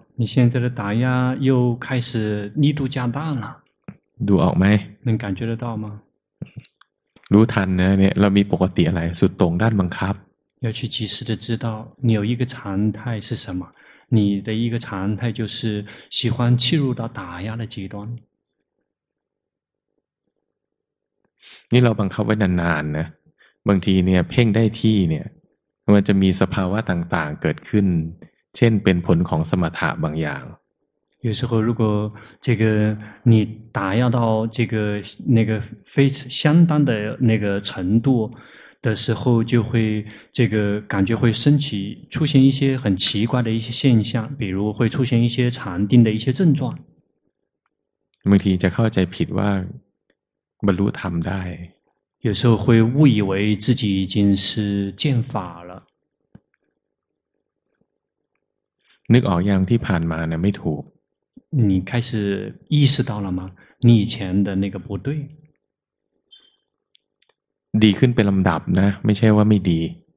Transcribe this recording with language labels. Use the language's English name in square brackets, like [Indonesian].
[Chinese] 你现在的打压又开始力度加大了 [Thai] ดูออกไหม [Chinese] 能感觉得到吗 [Thai] รู้ทันนะเนี่ยเรามีปกติอะไรสุดตรงด้านบังคับ [Chinese] 要去及时的知道你有一个常态是什么你的一个常态就是喜欢切入到打压的极端 [Thai] นี่เราบังคับไว้นานๆ นะบางทีเนี่ยเพ่งได้ที่เนี่ยมันจะมีสภาวะต่างๆเกิดขึ้นเช่นเป็นผลของสมถะบางอย่าง [Chinese] 有时候如果这个你打压到这个那个非相当的那个程度的时候，就会这个感觉会升起，出现一些很奇怪的一些现象，比如会出现一些禅定的一些症状。 [Thai] บางทีจะเข้าใจผิดว่าบรรลุธรรมได้ [Chinese] 有时候会误以为自己已经是见法了。 [Thai] นึกออกยังที่ผ่านมาเนี่ยไม่ถูก [Chinese] 你开始意识到了吗？你以前的那个不对。 [Thai] ดีขึ้นเป็นลำดับนะไม่ใช่ว่าไม่ดี